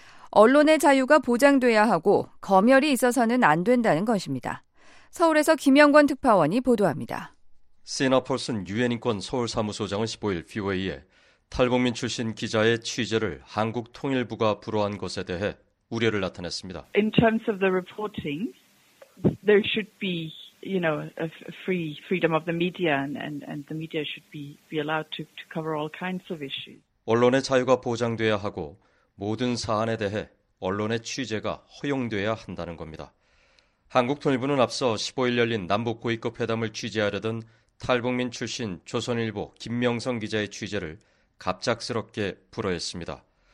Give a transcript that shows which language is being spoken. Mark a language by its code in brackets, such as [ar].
[ko] 언론의 자유가 보장돼야 하고 검열이 있어서는 안 된다는 것입니다. 서울에서 김영권 특파원이 보도합니다. 시나 폴슨 유엔인권 서울사무소장은 15일 VOA에 탈북민 출신 기자의 취재를 한국 통일부가 불허한 것에 대해 우려를 나타냈습니다. [en] In terms of the reporting, there should be freedom of the media and the media should be allowed to cover all kinds of issues. [ko] 언론의 자유가 보장돼야 하고 모든 사안에 대해 언론의 취재가 허용돼야 한다는 겁니다. 한국 통일부는 앞서 15일 열린 남북 고위급 회담을 취재하려던 탈북민 출신 조선일보 김명성 기자의 취재를 갑작스럽게 불허했습니다.